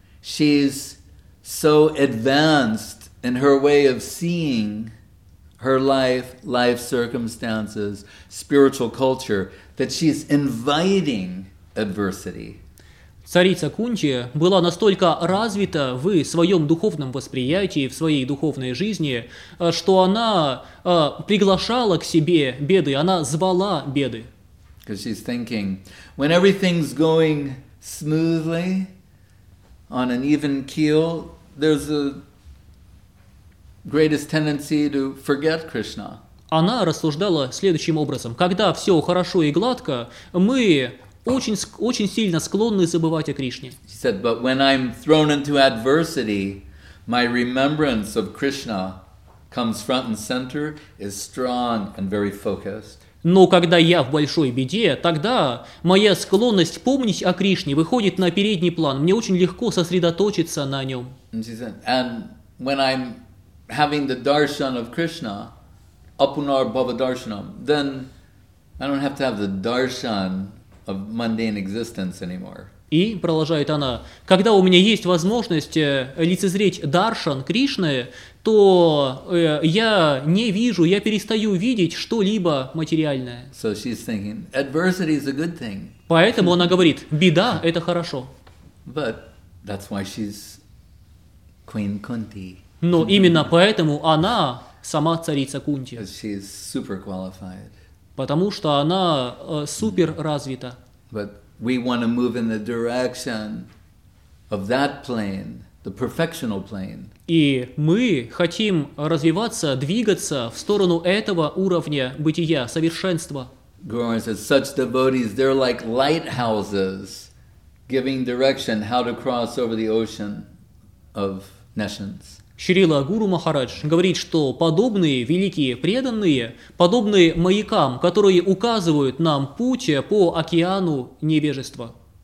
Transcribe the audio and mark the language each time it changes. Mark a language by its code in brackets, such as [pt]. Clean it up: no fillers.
[en] She's so advanced in her way of seeing her life, life circumstances, spiritual culture, that she's inviting adversity. [ru] Царица Кунти была настолько развита в своем духовном восприятии, в своей духовной жизни, что она приглашала к себе беды, она звала беды. [en] Because she's thinking, when everything's going smoothly, on an even keel, there's a greatest tendency to forget Krishna. [ru] Она рассуждала следующим образом: когда все хорошо и гладко, мы очень сильно склонны забывать о Кришне. [en] She said, but when I'm thrown into adversity, my remembrance of Krishna comes front and center, is strong and very focused. [ru] Но когда я в большой беде, тогда моя склонность помнить о Кришне выходит на передний план. Мне очень легко сосредоточиться на нем. [en] And she said, and when I'm having the darshan of Krishna, [sa] apunar bhava darshanam, [en] then I don't have to have the darshan of mundane existence anymore. [ru] И, продолжает она, когда у меня есть возможность лицезреть даршан Кришны, то я не вижу, я перестаю видеть что-либо материальное. [en] So she's thinking, adversity is a good thing. [ru] Поэтому она говорит, беда – это хорошо. [en] But that's why she's Queen Kunti. [ru] Но именно поэтому она сама царица Кунти. [en] Because she's super qualified. [ru] Потому что она супер развита. [en] But we want to move in the direction of that plane, the perfectional plane. [ru] И мы хотим развиваться, двигаться в сторону этого уровня бытия, совершенства. [en] Guru Maharaj says, such devotees, they're like lighthouses, giving direction how to cross over the ocean of nations. [ru] Шрила Гуру Махарадж говорит, что подобные великие преданные, подобные маякам, которые указывают нам путь по океану невежества.